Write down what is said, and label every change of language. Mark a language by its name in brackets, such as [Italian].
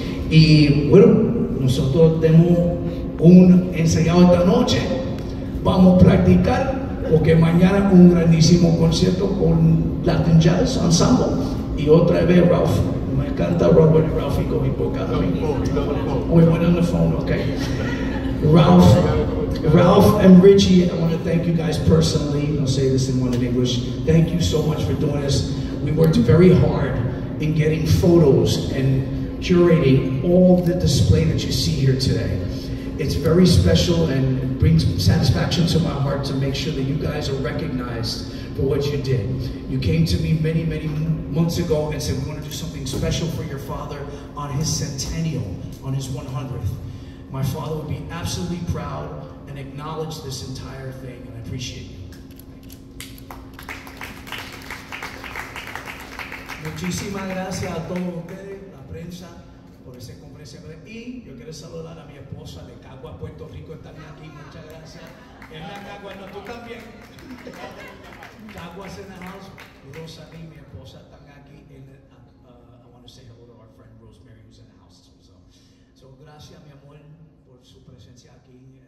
[Spanish] Y bueno, nosotros tenemos un ensayado esta noche. Vamos a practicar porque mañana un grandísimo concierto con Latin Jazz Ensemble. Y otra vez Ralph. Me encanta Robert Ralph y con mi boca. [English] We went on the phone, okay. Ralph and Richie, I want to thank you guys personally. I'll say this in one in English. Thank you so much for doing this. We worked very hard in getting photos and curating all the display that you see here today. It's very special and brings satisfaction to my heart to make sure that you guys are recognized for what you did. You came to me many, many months ago and said, we want to do something special for your father on his centennial, on his 100th. My father would be absolutely proud and acknowledge this entire thing, and I appreciate you. [Spanish] Muchísimas gracias a todos ustedes, la prensa, por ese conferencia. Y yo quiero saludar a mi esposa de Cagua, Puerto Rico, está aquí. Muchas gracias. Es la Cagua, no, tú también. Cagua en la house. Rosa y mi esposa están aquí. [English] I want to say hello to our friend Rosemary, who's in the house. [Spanish] So gracias, mi amor, por su presencia aquí.